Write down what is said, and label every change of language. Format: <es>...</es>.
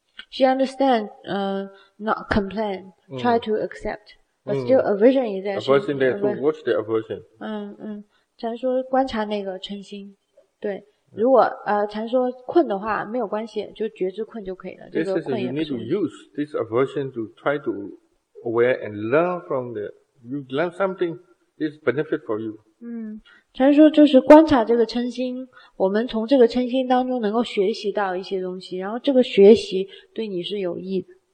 <en>She understands, not complain, try to accept, but still aversion is there. Aversion there, so what's the aversion?</en> <zh>禅说观察那个嗔心，对，如果禅说困的话没有关系，就觉知困就可以了。这个困也不行。</zh> <en>You need to use this aversion to try to aware and learn from the. You learn something. This benefit for you. 嗯，</en> <zh>禅说就是观察这个嗔心，我们从这个嗔心当中能够学习到一些东西，然后这个学习对你是有益的。</zh>